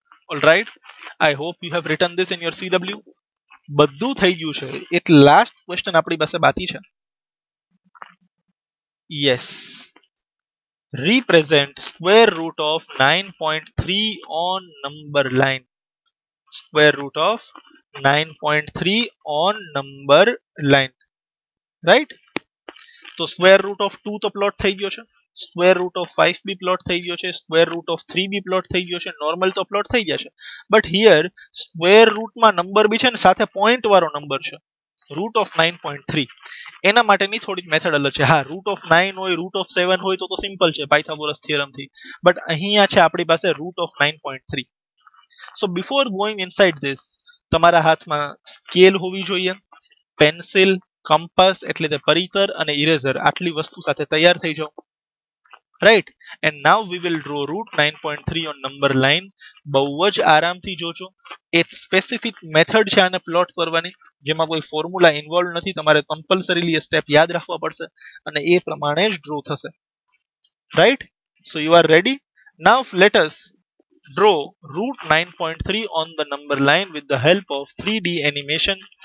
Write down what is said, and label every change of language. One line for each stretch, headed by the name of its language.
English: All right, I hope you have written this in your CW.
Gujarati: બધું થઈ ગયું છે, એક લાસ્ટ ક્વેશ્ચન આપણી પાસે બાકી છે.
English: Yes, represent square root of 9.3 on number line. Square root of 9.3 on number line. Right?
Gujarati: તો square root of 2 તો પ્લોટ થઈ ગયો છે, square root of 5 B plot થઈ ગયો છે, square root of 3 B plot થઈ ગયો છે, નોર્મલ તો પ્લોટ થઈ ગયા છે. બટ હિયર સ્ક્વેર રૂટમાં નંબર બી છે ને સાથે પોઈન્ટ વાળો નંબર છે, રૂટ ઓફ 9.3. એના માટેની થોડીક મેથડ અલગ છે. હા, રૂટ ઓફ 9 હોય, રૂટ ઓફ 7 હોય તો સિમ્પલ છે પાયથાગોરસ થિયરમથી, બટ અહીંયા છે આપણી પાસે root of 9.3.
English: so before going inside this,
Gujarati: તમારા હાથમાં સ્કેલ હોવી જોઈએ, પેન્સિલ, કમ્પસ એટલે કે પરિતર અને ઇરેઝર, આટલી વસ્તુ સાથે તૈયાર થઈ જાઓ.
English: Right, and now we will draw root 9.3 on number line.
Gujarati: બહુ જ આરામથી જોજો. એક સ્પેસિફિક મેથડ છે આને પ્લોટ કરવાની, જેમાં કોઈ ફોર્મ્યુલા ઇન્વોલ્વ નથી. તમારે કમ્પલસરીલી એ સ્ટેપ યાદ રાખવા પડશે અને એ પ્રમાણે જ ડ્રો થશે.
English: Right, so you are ready? Now let us draw root 9.3 on the number line with the help of 3D animation.